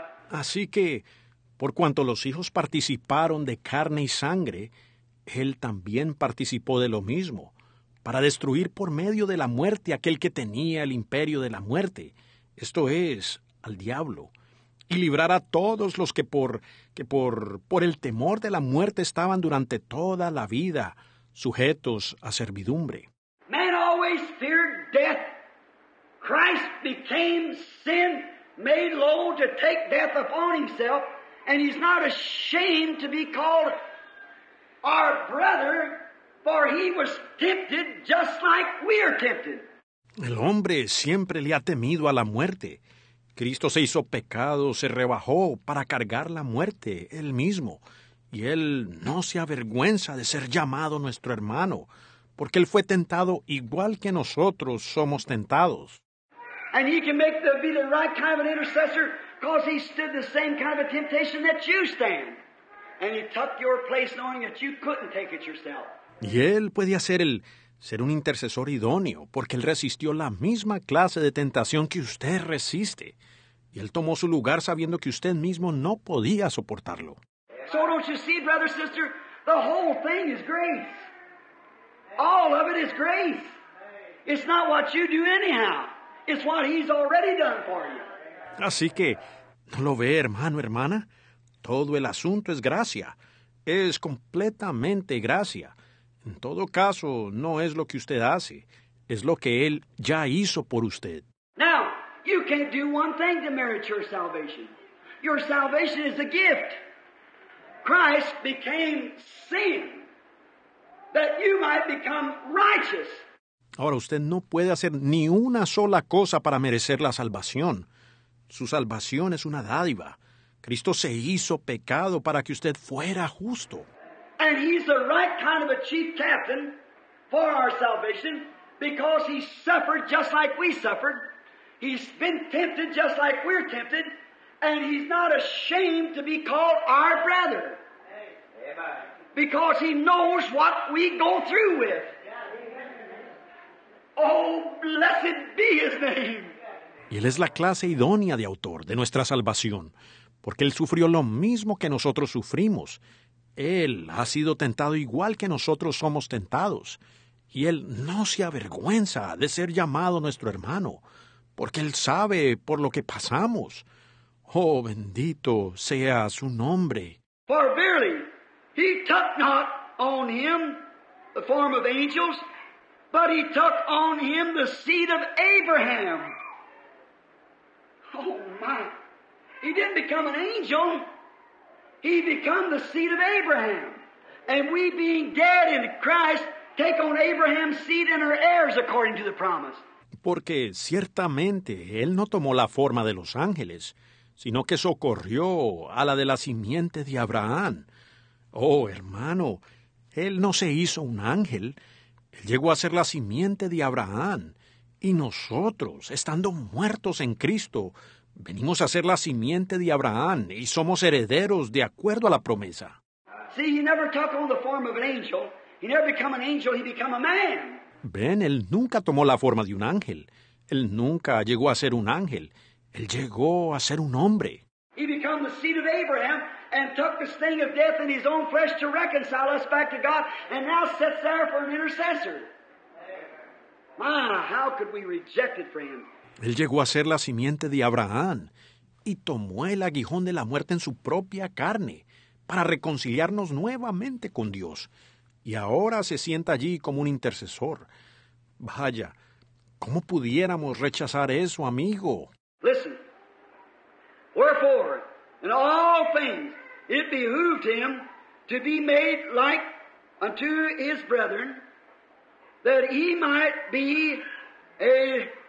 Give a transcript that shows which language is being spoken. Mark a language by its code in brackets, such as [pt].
[es] Así que, por cuanto los hijos participaron de carne y sangre, él también participó de lo mismo, para destruir por medio de la muerte aquel que tenía el imperio de la muerte, esto es, al diablo, y librar a todos los que por el temor de la muerte estaban durante toda la vida sujetos a servidumbre. [en] Man always feared death. Christ became sin, made low to take death upon himself, and he's not ashamed to be called our brother, for he was tempted just like we are tempted. [es] El hombre siempre le ha temido a la muerte. Cristo se hizo pecado, se rebajó para cargar la muerte él mismo. Y él no se avergüenza de ser llamado nuestro hermano, porque él fue tentado igual que nosotros somos tentados. [en] And he can make be the right kind of an intercessor, because he stood the same kind of a temptation that you stand. And he took your place knowing that you couldn't take it yourself. [es] Y él puede hacer ser un intercesor idóneo, porque él resistió la misma clase de tentación que usted resiste. Y él tomó su lugar sabiendo que usted mismo no podía soportarlo. [en] So don't you see, brother, sister, the whole thing is grace. All of it is grace. It's not what you do anyhow. It's what he's already done for you. [es] Así que, ¿no lo ve, hermano, hermana? Todo el asunto es gracia. Es completamente gracia. En todo caso, no es lo que usted hace, es lo que él ya hizo por usted. [en] Now, you can't do one thing to merit your salvation. Your salvation is a gift. Christ became sin that you might become righteous. [es] Ahora, usted no puede hacer ni una sola cosa para merecer la salvación. Su salvación es una dádiva. Cristo se hizo pecado para que usted fuera justo. [en] And he's the right kind of a chief captain for our salvation, because he suffered just like we suffered. He's been tempted just like we're tempted, and he's not ashamed to be called our brother. Because he knows what we go through with. Oh, blessed be his name. [es] Y él es la clase idónea de autor de nuestra salvación, porque él sufrió lo mismo que nosotros sufrimos. Él ha sido tentado igual que nosotros somos tentados, y él no se avergüenza de ser llamado nuestro hermano, porque él sabe por lo que pasamos. Oh, bendito sea su nombre. [en] For verily, he took not on him the form of angels, but he took on him the seed of Abraham. Oh, my. He didn't become an angel. He became the seed of Abraham. And we being dead in Christ, take on Abraham's seed and are heirs according to the promise. [es] Porque ciertamente él no tomó la forma de los ángeles, sino que socorrió a la de la simiente de Abraham. Oh, hermano, él no se hizo un ángel. Él llegó a ser la simiente de Abraham. Y nosotros, estando muertos en Cristo, venimos a ser la simiente de Abraham y somos herederos de acuerdo a la promesa. [en] See, he never took on the form of an angel. He never became an angel, he became a man. [es] Ven, él nunca tomó la forma de un ángel. Él nunca llegó a ser un ángel. Él llegó a ser un hombre. [en] He became the seed of Abraham and took the sting of death in his own flesh to reconcile us back to God, and now sits there for an intercessor. My, how could we reject it for him? [es] Él llegó a ser la simiente de Abraham y tomó el aguijón de la muerte en su propia carne para reconciliarnos nuevamente con Dios. Y ahora se sienta allí como un intercesor. Vaya, ¿cómo pudiéramos rechazar eso, amigo? [en] Listen. Wherefore, in all things, it behooved him to be made like unto his brethren, that he might be a